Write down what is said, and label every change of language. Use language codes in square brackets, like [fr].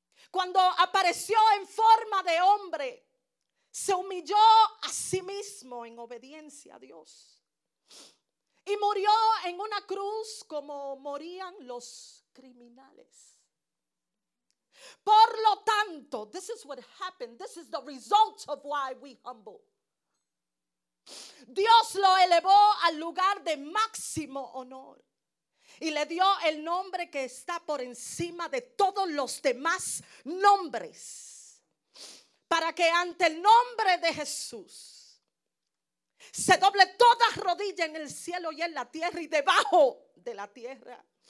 [es] Cuando apareció en forma de hombre, se humilló a sí mismo en obediencia a Dios. Y murió en una cruz como morían los criminales. Por lo tanto, [en] this is what happened. This is the result of why we humble. [es] Dios lo elevó al lugar de máximo honor. Y le dio el nombre que está por encima de todos los demás nombres. Para que ante el nombre de Jesús se doble toda rodilla en el cielo y en la tierra y debajo de la tierra.